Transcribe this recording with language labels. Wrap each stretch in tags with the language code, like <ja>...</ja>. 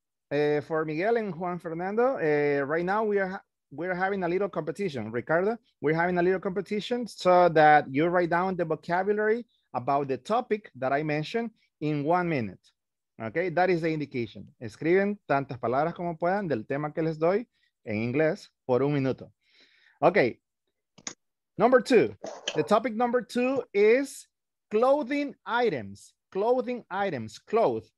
<en>For Miguel and Juan Fernando, right now we're having a little competition. Ricardo, we're having a little competition so that you write down the vocabulary about the topic that I mentioned in 1 minute. Okay, that is the indication.</en> <es>Escriben tantas palabras como puedan del tema que les doy en inglés por un minuto.</es> <en>Okay. Number two, the topic number two is clothing items, clothes.</en>